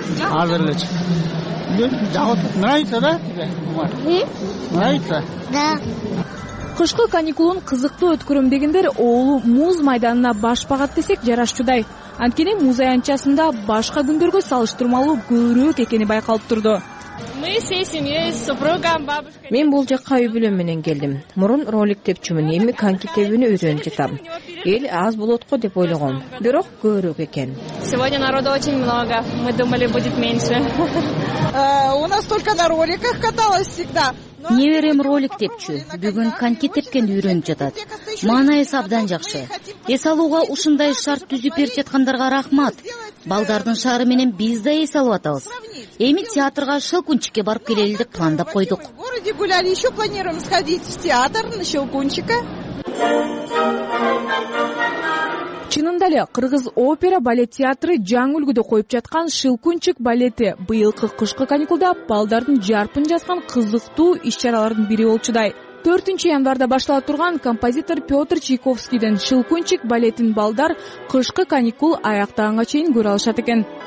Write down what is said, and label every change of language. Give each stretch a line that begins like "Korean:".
Kyrgyz: Азыр эле чыгып.
Russian: Нравится, да? Нравится? Да.
Kyrgyz: Кышкы каникулун кызыктуу өткөрөм дегендер оолу муз майданына баш багат десек жарашчудай. Анткени муз аянтчасында башка күндөргө салыштырмалуу көбүрөөк экени байкалып турду.
Russian: Мы всей семьей, с супругом, бабушкой.
Kyrgyz: Мен бул жакка үй бүлөм менен келдим. Мурун ролик тепчүмүн, эми коньки тебүүнү үйрөнүп жатам. Эл аз болот го деп ойлогом, бирок көбүрөөк экен.
Russian: Сегодня народу очень много. Мы думали будет меньше. У нас только на роликах каталось всегда.
Kyrgyz: Неберем ролик тепчү, бүгүн коньки тепкенди үйрөнүп жатат. Маанай эс абдан жакшы. Эс алууга ушундай шарт түзүп берип жаткандарга рахмат. Балдардын шаары менен биз да эс алып атабыз. Эми театрга Шылкунчикке барып келели деп пландап койдук.
Russian: В городе гуляли, еще планируем сходить в театр на Шылкунчика.
Kyrgyz: Чынында эле кыргыз опера балет театры жаңы үлгүдө коюп жаткан Шылкунчик балети быйылкы кышкы каникулда балдардын жарпын жазган кызыктуу иш-чаралардын бири болчудай. 4 январда баштала турган композитор Петр Чайковскийдин Шылкунчик балетин балдар кышкы каникул аяктаганга чейин көрө алышат экен.